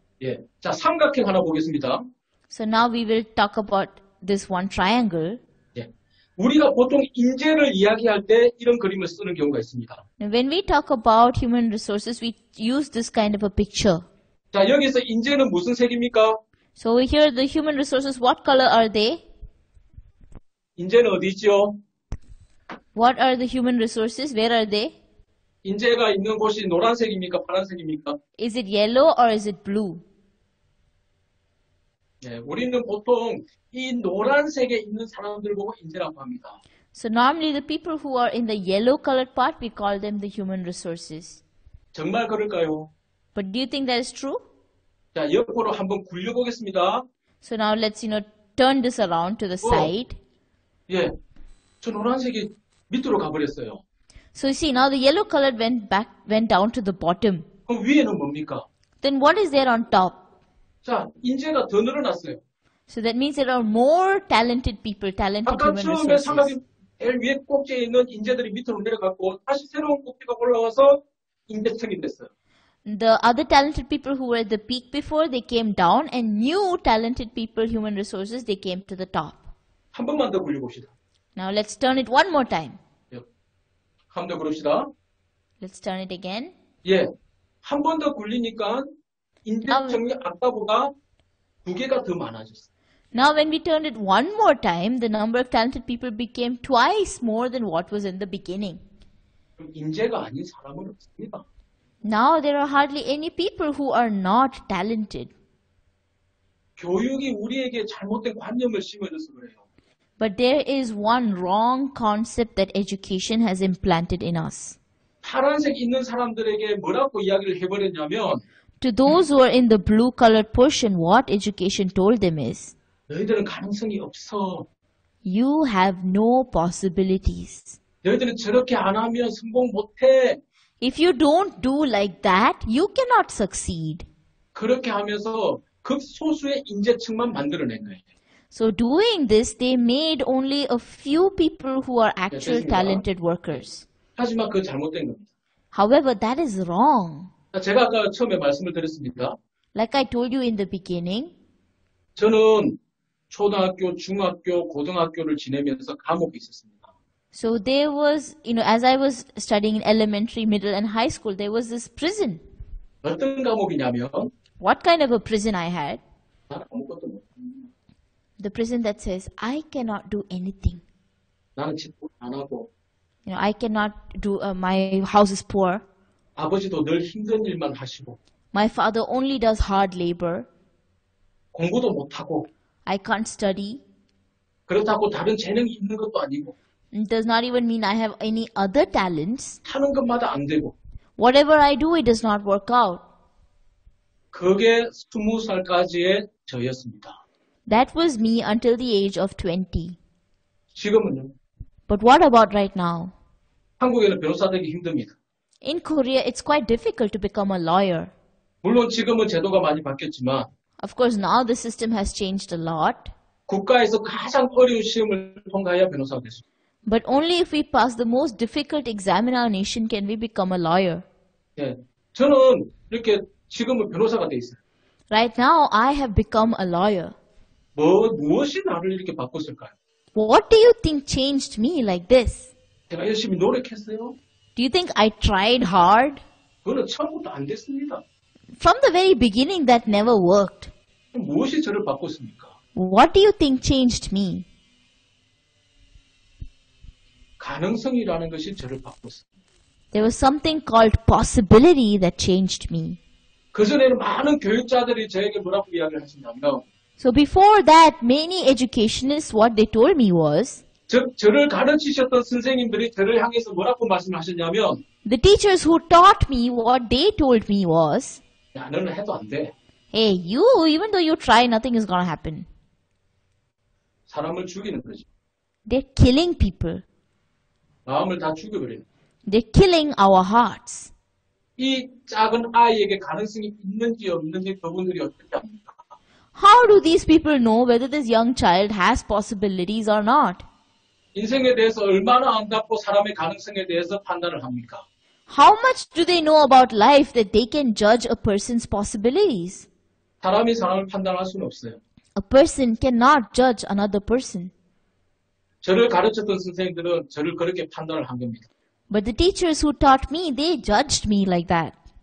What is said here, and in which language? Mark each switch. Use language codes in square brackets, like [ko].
[ko] 예, 자 삼각형 하나 보겠습니다. [en] So now we will talk about this one triangle. [ko] 예, 우리가 보통 인재를 이야기할 때 이런 그림을 쓰는 경우가 있습니다. [en] When we talk about human resources, we use this kind of a picture. [ko] 자 여기서 인재는 무슨 색입니까? [en] So here the human resources, what color are they? [ko] 인재는 어디 있죠? [en] What are the human resources? Where are they? [ko] 인재가 있는 곳이 노란색입니까? 파란색입니까? [en] Is it yellow or is it blue? [ko] 네, 우리는 보통 이 노란색에 있는 사람들 보고 인재라고 합니다. [en] So normally the people who are in the yellow colored part, we call them the human resources. [ko] 정말 그럴까요? [en] But do you think that is true? [ko] 자, 옆으로 한번 굴려보겠습니다. [en] So now let's, you know, turn this around to the side. [ko] 예, 저 노란색이 밑으로 가버렸어요. [en] So you see, now the yellow color went down to the bottom. [ko] 그럼 위에는 뭡니까? [en] Then what is there on top? [ko] 자, 인재가 더 늘어났어요. [en] So that means there are more talented people, talented human resources. [ko] 아까 처음에 삼각형 위에 꼭지에 있는 인재들이 밑으로 내려갔고 다시 새로운 꼭지가 올라와서 인재층이 됐어요. [en] The other talented people who were at the peak before, they came down, and new talented people, human resources, they came to the top. [ko] 한 번만 더 굴려봅시다. [en] Now let's turn it one more time. [ko] 한 번 더 굴립시다. [en] Let's turn it again. [ko] 예, 한 번 더 굴리니까 인재층이 아까보다 두 개가 더 많아졌어. [en] Now when we turned it one more time, the number of talented people became twice more than what was in the beginning. [ko] 인재가 아닌 사람은 없습니다. [en] Now there are hardly any people who are not talented. [ko] 교육이 우리에게 잘못된 관념을 심어줘서 그래요. [en] But there is one wrong concept that education has implanted in us. [ko] 파란색 있는 사람들에게 뭐라고 이야기를 해버렸냐면, [en] to those who are in the blue colored portion, what education told them is, [ko] 너희들은 가능성이 없어. [en] You have no possibilities. [ko] 너희들은 저렇게 안 하면 성공 못해. [en] If you don't do like that, you cannot succeed. [ko] 그렇게 하면서 극소수의 인재층만 만들어낸 거예요. [en] So doing this, they made only a few people who are actual 네, talented workers. [ko] 하지만 그 잘못된 겁니다. [en] However, that is wrong. [ko] 제가 아까 처음에 말씀을 드렸습니다. [en] Like I told you in the beginning. [ko] 저는 초등학교, 중학교, 고등학교를 지내면서 감옥에 있었습니다. [en] So there was, you know, as I was studying in elementary, middle and high school, there was this prison. [ko] 어떤 감옥이냐면? [en] What kind of a prison I had? [ko] 아무것도 못. [en] The prison that says, I cannot do anything. [ko] 나는 집도 안 하고. [en] You know, I cannot do, my house is poor. [ko] 아버지도 늘 힘든 일만 하시고. [en] My father only does hard labor. [ko] 공부도 못 하고. [en] I can't study. [ko] 그렇다고 다른 재능이 있는 것도 아니고. [en] does not even mean I have any other talents. [ko] 하는 것마다 안 되고. [en] Whatever I do, it does not work out. [ko] 그게 스무 살까지의 저였습니다. [en] That was me until the age of 20. [ko] 지금은요? [en] But what about right now? [ko] 한국에는 변호사 되기 힘듭니다. [en] In Korea, it's quite difficult to become a lawyer. [ko] 물론 지금은 제도가 많이 바뀌었지만. [en] Of course, now the system has changed a lot. [ko] 국가에서 가장 어려운 시험을 통과해야 변호사가 됐어. [en] But only if we pass the most difficult exam in our nation can we become a lawyer. [ko] 네, 저는 이렇게 지금은 변호사가 돼 있어요. [en] Right now, I have become a lawyer. [ko] 뭐 무엇이 나를 이렇게 바꿨을까요? [en] What do you think changed me like this? [ko] 제가 열심히 노력했어요. [en] Do you think I tried hard? [ko] 그거는 처음부터 안 됐습니다. [en] From the very beginning, that never worked. [ko] 무엇이 저를 바꿨습니까? [en] What do you think changed me? [ko] 가능성이라는 것이 저를 바꿨어요. [en] There was something called possibility that changed me. [ko] 그전에는 많은 교육자들이 저에게 뭐라고 이야기를 하신다면 [en] So before that, many educationists, what they told me was [ko] 저를 가르치셨던 선생님들이 저를 향해서 뭐라고 말씀하셨냐면 [en] The teachers who taught me, what they told me was [ko] 야, 너는 해도 안 돼. [en] Hey, you, even though you try, nothing is gonna happen. [ko] 사람을 죽이는 거지. [en] They're killing people. [ko] 마음을 다 죽여버리는 거지. [en] They're killing our hearts. [ko] 이 작은 아이에게 가능성이 있는지 없는지 그분들이 어떻게 합니까? [en] How do these people know whether this young child has possibilities or not? [ko] 인생에 대해서 얼마나 안다고 사람의 가능성에 대해서 판단을 합니까? [en] How much do they know about life that they can judge a person's possibilities? [ko] 사람이 사람을 판단할 수는 없어요. [en] A person cannot judge another person. [ko] 저를 가르쳤던 선생님들은 저를 그렇게 판단을 한 겁니다. [en] But the teachers who taught me, they judged me like that.